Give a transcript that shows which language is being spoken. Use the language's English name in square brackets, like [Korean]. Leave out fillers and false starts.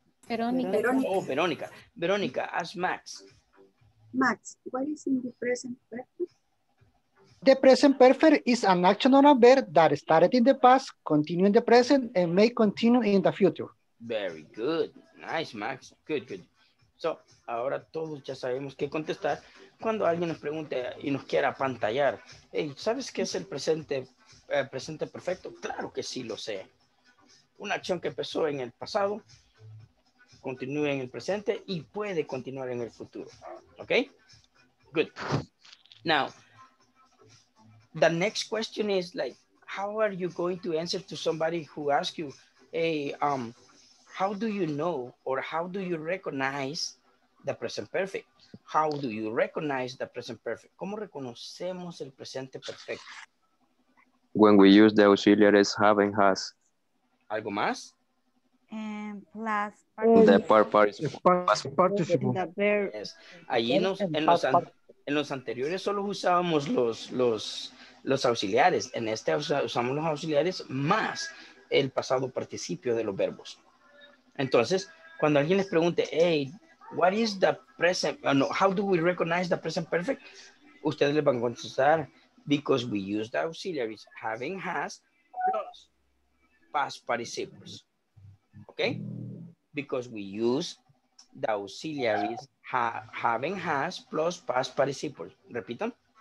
[English] Verónica. Oh, Verónica. Verónica, ask Max. Max, what is in the present perfect? The present perfect is an action or a verb that started in the past, continue in the present, and may continue in the future. Very good. Nice, Max. Good. [Spanish] So, ahora todos ya sabemos qué contestar cuando alguien nos pregunte y nos quiera apantallar. Hey, ¿sabes qué es el presente perfecto? Claro que sí lo sé. Una acción que empezó en el pasado, continúa en el presente y puede continuar en el futuro. [English] ¿Ok? Good. Now, the next question is like, how are you going to answer to somebody who asks you, hey, how do you know or how do you recognize the present perfect? How do you recognize the present perfect? [Spanish] ¿Cómo reconocemos el presente perfecto? [English] When we use the auxiliaries have and has. [Spanish] ¿Algo más? [English] Plus participle. The participle. Participle. [Spanish] Yes. Allí en los En los anteriores solo usábamos los auxiliares. En este usamos los auxiliares más el pasado participio de los verbos. Entonces, cuando alguien les pregunte, [English] hey, what is the present? Oh, no, how do we recognize the present perfect? [Spanish] Ustedes les van a contestar, [English] because we use the auxiliaries having has plus past participles. Okay? Because we use the auxiliaries having has plus past participles. [Spanish] Repitan.